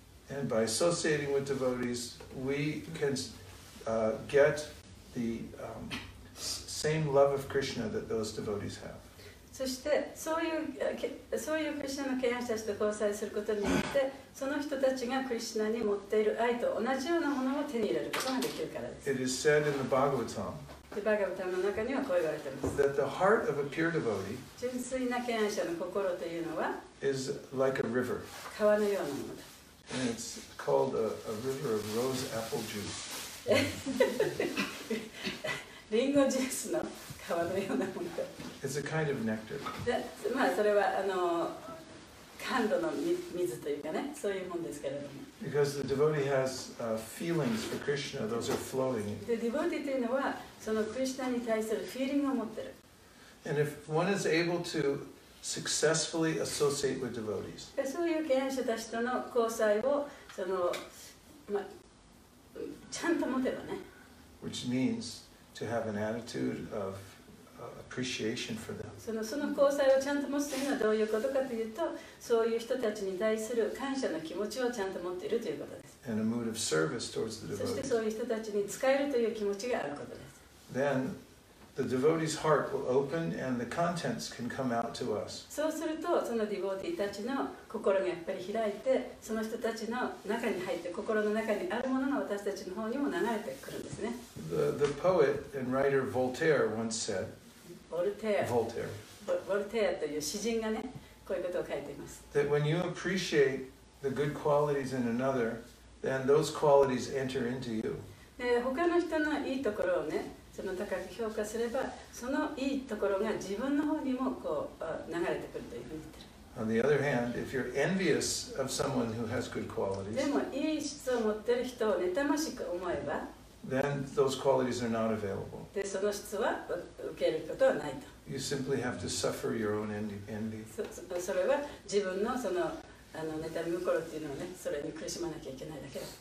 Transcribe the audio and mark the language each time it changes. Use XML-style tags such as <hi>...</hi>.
<en>And by associating with devotees, we can... get the same love of Krishna that those devotees have.</en> <ja>そしてそういうクリシュナの敬愛者たちと交際することによって、その人たちがクリシュナに持っている愛と同じようなものを手に入れることができるからです。</ja> <en>It is said in the Bhagavatam.</en> <ja>で、バガヴァタムの中にはこう言われています。</ja> <en>That the heart of a pure devotee.</en> <ja>純粋な敬愛者の心というのは。</ja> <en>Is like a river.</en> <ja>川のようなものだ。</ja> <en>And it's called a river of rose apple juice.</en> <ja>リンゴジュースの皮のようなもの。</ja> <en>It's a kind of nectar.</en> <ja>まあそれはあの甘露の水というかね、そういうもんですけれども。</ja> <en>Because the devotee has feelings for Krishna, those are flowing.</en> <ja>で、devotee というのはそのクリシュナに対するフィーリングを持ってる。</ja> <en>And if one is able to successfully associate with devotees.</en> <ja>そういう敬愛者たちとの交際をそのまあ。ちゃんと持てばね。</ja> <en>Which means to have an attitude of appreciation for them.</en> <ja>その交際をちゃんと持つというのはどういうことかというと、そういう人たちに対する感謝の気持ちをちゃんと持っているということです。</ja> <en>And a mood of service towards the devotees.</en> <ja>そしてそういう人たちに使えるという気持ちがあることです。</ja> <en>Then the devotee's heart will open and the contents can come out to us.</en> <ja>そうするとそのディボーティーたちの心がやっぱり開いて、その人たちの中に入って心の中にあるものが私たちの方にも流れてくるんですね。</ja> <en>The poet and writer Voltaire once said,</en> <ja>Voltaire という詩人がね、こういうことを書いています。</ja> <en>That when you appreciate the good qualities in another, then those qualities enter into you.</en> <ja>で、他の人のいいところをね、その高く評価すれば、そのいいところが自分の方にもこう流れてくるというふうに言ってる。</ja> <en>On the other hand, if you're envious of someone who has good qualities,</en> <ja>でもいい質を持ってる人を妬ましく思えば、</ja> <en>then those qualities are not available.</en> <ja>でその質は受けることはないと。</ja> <en>You simply have to suffer your own envy.</en> <ja>それは自分のその妬み心っていうのをね、それに苦しまなきゃいけないだけだ。</ja>